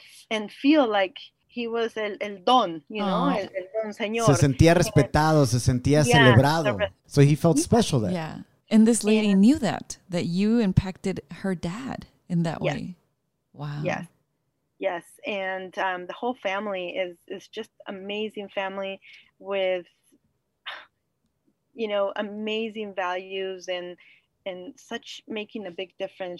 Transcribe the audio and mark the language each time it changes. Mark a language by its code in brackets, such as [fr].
[en] and feel like he was el don, you know, el don señor. [es] Se sentía respetado, se sentía celebrado. [en] So he felt special there. Yeah. And this lady knew that you impacted her dad in that way. Wow. Yes. Yes. And the whole family is just amazing family with, you know, amazing values and such making a big difference.